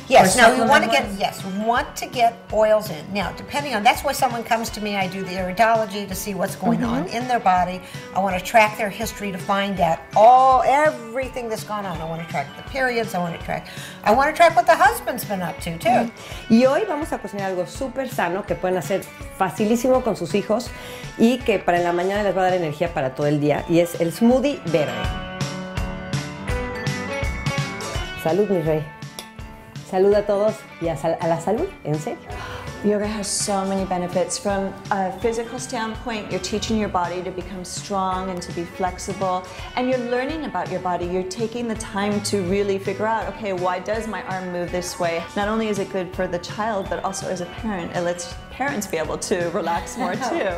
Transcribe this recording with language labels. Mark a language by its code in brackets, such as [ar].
[en] Yes. Now we want to get oils in. Now, depending on that's why someone comes to me, I do the iridology to see what's going on in their body. I want to track their history to find out everything that's gone on. I want to track the periods. I want to track what the husband's been up to too. [es] Y hoy vamos a cocinar algo súper sano que pueden hacer facilísimo con sus hijos y que para la mañana les va a dar energía para todo el día, y es el smoothie verde. Salud, mi rey. Salud a todos y a la salud, en serio. [en] Yoga has so many benefits. From a physical standpoint, you're teaching your body to become strong and to be flexible. And you're learning about your body. You're taking the time to really figure out, okay, why does my arm move this way? Not only is it good for the child, but also as a parent, it lets parents be able to relax more too.